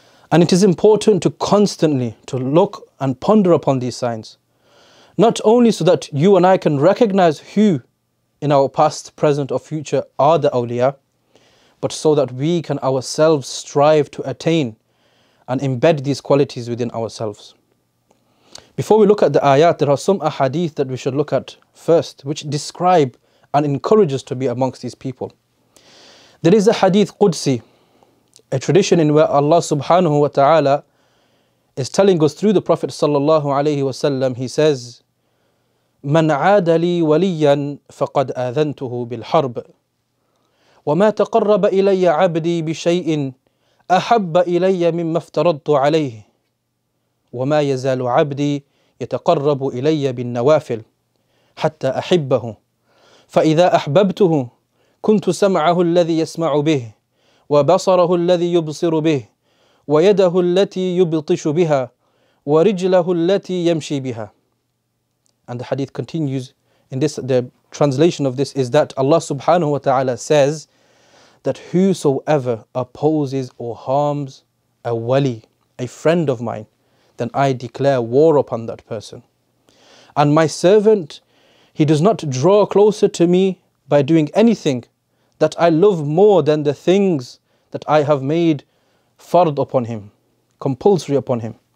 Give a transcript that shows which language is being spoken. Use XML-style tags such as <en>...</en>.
<en>And it is important to constantly to look and ponder upon these signs, not only so that you and I can recognize who in our past, present or future are the awliya, but so that we can ourselves strive to attain and embed these qualities within ourselves. Before we look at the ayat, there are some ahadith that we should look at first, which describe and encourage us to be amongst these people. There is a hadith Qudsi, a tradition in where Allah subhanahu wa ta'ala is telling us through the Prophet sallallahu alayhi wa sallam, he says,</en> <ar>مَنْ عَادَ لِي وَلِيًّا فَقَدْ آذَنْتُهُ بِالْحَرْبِ وَمَا تَقَرَّبَ إِلَيَّ عَبْدِي بِشَيْءٍ أَحَبَّ إِلَيَّ مِمَّا افْتَرَضْتُ عَلَيْهِ وَمَا يَزَالُ عَبْدِي يَتَقَرَّبُ إِلَيَّ بِالنَّوَافِلِ حَتَّى أَحِبَّهُ فَإِذَا أَحْبَبْتُهُ كُنْتُ سَمْعَهُ الَّذِي يَسْمَعُ بِهِ وَبَصَرَهُ الَّذِي يُبْصِرُ بِهِ وَيَدَهُ الَّتِي يُبْطِشُ بِهَا وَرِجْلَهُ الَّتِي يَمْشِي بِهَا.</ar> <en>And the hadith continues, in this, the translation of this is that Allah subhanahu wa ta'ala says that whosoever opposes or harms a wali, a friend of mine, then I declare war upon that person. And my servant, he does not draw closer to me by doing anything that I love more than the things that I have made fard upon him, compulsory upon him.</en>